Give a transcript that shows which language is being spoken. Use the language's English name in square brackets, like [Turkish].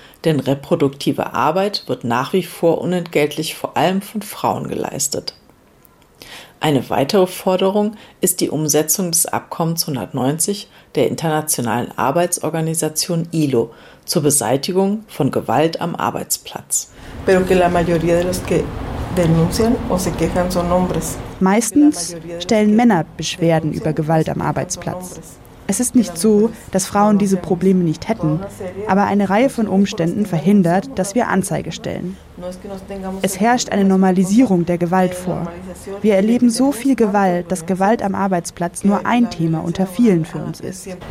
[German] Denn reproduktive Arbeit wird nach wie vor unentgeltlich vor allem von Frauen geleistet. Eine weitere Forderung ist die Umsetzung des Abkommens 190 der Internationalen Arbeitsorganisation ILO zur Beseitigung von Gewalt am Arbeitsplatz. [Spanish] Pero que la mayoría de los que denuncian o se quejan son hombres. [German] Meistens stellen Männer Beschwerden über Gewalt am Arbeitsplatz. Es ist nicht so, dass Frauen diese Probleme nicht hätten, aber eine Reihe von Umständen verhindert, dass wir Anzeige stellen. Es herrscht eine Normalisierung der Gewalt vor. Wir erleben so viel Gewalt, dass Gewalt am Arbeitsplatz nur ein Thema unter vielen für uns ist.